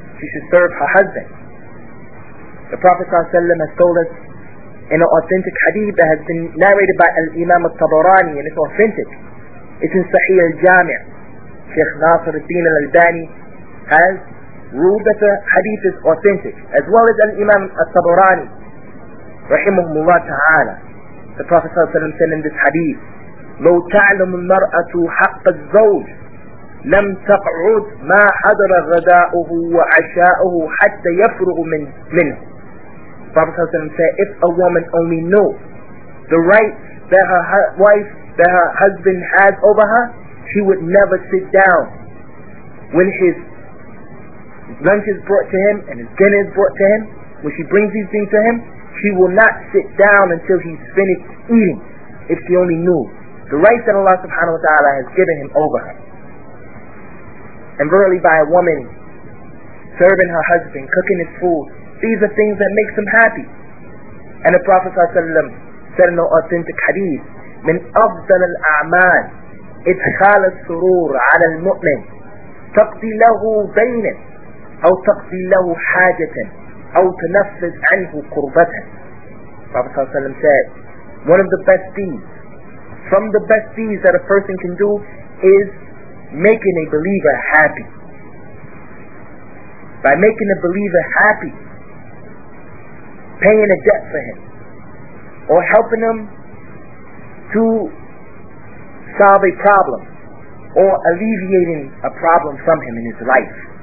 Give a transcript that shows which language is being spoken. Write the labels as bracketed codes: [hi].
[en] She should serve her husband. The Prophet ﷺ has told us in an authentic hadith that has been narrated by Al-Imam Al-Tabarani, and it's authentic. It's in Sahih Al-Jami'. Sheikh Nasir al-Din al-Albani has ruled that the hadith is authentic, as well as Al-Imam Al-Tabarani, rahimahumullah ta'ala. The Prophet ﷺ said in this hadith, [ar] لو تعلم المرأة حق الزوج لم تقعد ما حضر غداؤه وعشاؤه حتى يفرغ منه. [en] Prophet said, if a woman only knew the rights that her wife, that her husband has over her, she would never sit down when his lunch is brought to him and his dinner is brought to him. When she brings these things to him, she will not sit down until he's finished eating, if she only knew the rights that Allah subhanahu wa ta'ala has given him over her. And verily, by a woman serving her husband, cooking his food, these are things that makes them happy. And the Prophet ﷺ said in an authentic hadith, [ar] من أفضل الأعمال إدخال السرور على المؤمن تقضي له بينا أو تقضي له حاجة أو تنفذ عنه قربة. [en] Prophet ﷺ said, one of the best deeds, from the best deeds that a person can do, is making a believer happy. By making a believer happy, paying a debt for him, or helping him to solve a problem, or alleviating a problem from him in his life.